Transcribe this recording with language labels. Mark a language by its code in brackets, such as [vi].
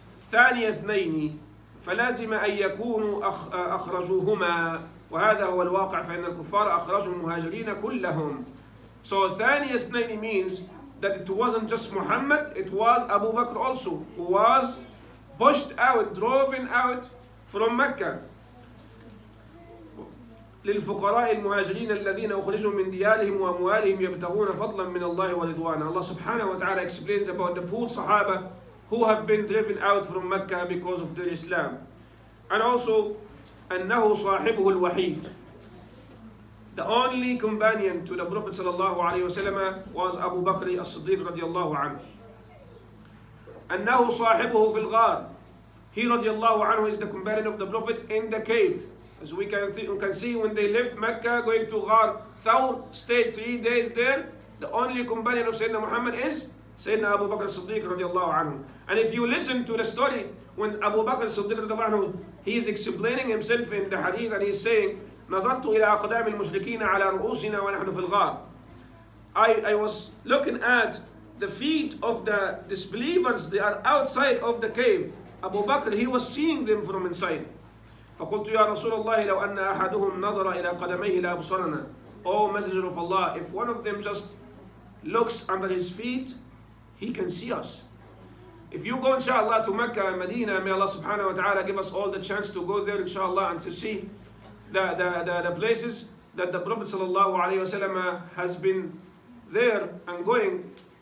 [ar] ثاني اثنين فلازم أن يكونوا أخرجوهما وهذا هو الواقع فإن الكفار أخرجوا المهاجرين كلهم. [en] So ثاني اثنين means that it wasn't just Muhammad, it was Abu Bakr also, who was pushed out, driven out from Mecca. [ar] للفقراء المهاجرين الذين أخرجوا من ديارهم وأموالهم يبتغون فضلا من الله ورضوانه. [en] Allah subhanahu wa ta'ala explains about the poor sahaba who have been driven out from Mecca because of their Islam. And also, [ar] أنه صاحبه الوحيد. [en] The only companion to the Prophet sallallahu alayhi wa sallam was Abu Bakr al-Siddiq radiallahu anhu. [ar] أنه صاحبه في الغار. [en] He radiallahu anhu is the companion of the Prophet in the cave. As we can see, when they left Mecca going to Ghar Thawr, stayed 3 days there, the only companion of Sayyidina Muhammad is Sayyidina Abu Bakr al-Siddiq radiallahu anhu. And if you listen to the story, when Abu Bakr al-Siddiq radiallahu anhu, he is explaining himself in the hadith, and he's saying, [ar] نَظَرْتُ إِلَىٰ أَقْدَامِ الْمُشْرِكِينَ عَلَىٰ رُؤُوسِنَا وَنَحْنُ فِي الْغَارِ. [en] I was looking at the feet of the disbelievers, they are outside of the cave. Abu Bakr, he was seeing them from inside. [ar] فقلت يا رسول الله لو أن أحدهم نظر إلى قدميه لا بصرنا. [en] Oh messenger of Allah, if one of them just looks under his feet, he can see us. If you go inshallah to Mecca and Medina, may Allah subhanahu wa ta'ala give us all the chance to go there inshallah and to see the places that the Prophet sallallahu alayhi wa sallam has been there and going.